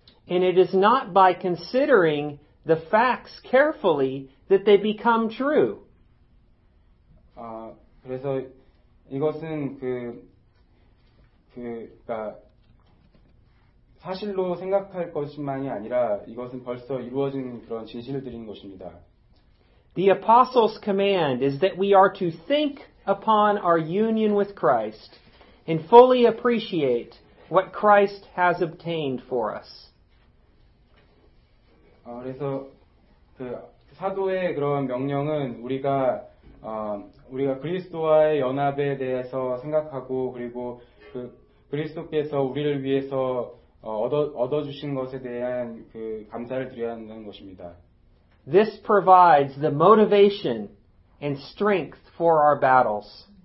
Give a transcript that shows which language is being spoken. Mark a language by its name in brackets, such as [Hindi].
[English] And it is not by considering the facts carefully that they become true. [Korean] 그래서 이것은 그러니까 사실로 생각할 것만이 아니라 이것은 벌써 이루어진 그런 진실을 드리는 것입니다. [English] The apostle's command is that we are to think upon our union with Christ and fully appreciate what Christ has obtained for us. [Korean] 그래서 그 사도의 그런 명령은 우리가 그리스도와의 연합에 대해서 생각하고 그리고 그 그리스도께서 우리를 위해서 얻어주신 것에 대한 그 감사를 드려야 하는 것입니다. [English] This provides the motivation and strength for our battles.